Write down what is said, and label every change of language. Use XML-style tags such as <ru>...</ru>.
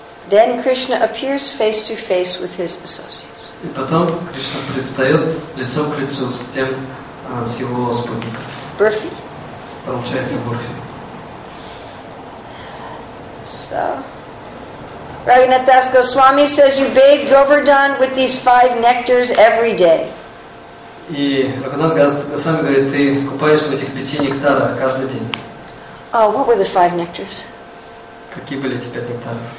<en>Then Krishna appears face to face with his associates.</en> <ru>И потом Кришна предстает лицом к лицу с тем с его спутником. Бурфи. Получается Бурфи.</ru> <en>So. Raghunath Das Goswami says you bathe Govardhan with these 5 nectars every day.</en> <ru>И Раганат Гас Госвами говорит, ты купаешься в этих 5 нектарах каждый день.</ru> <en>Oh, what were the 5 nectars?</en> <ru>Какие были эти 5 нектаров?</ru>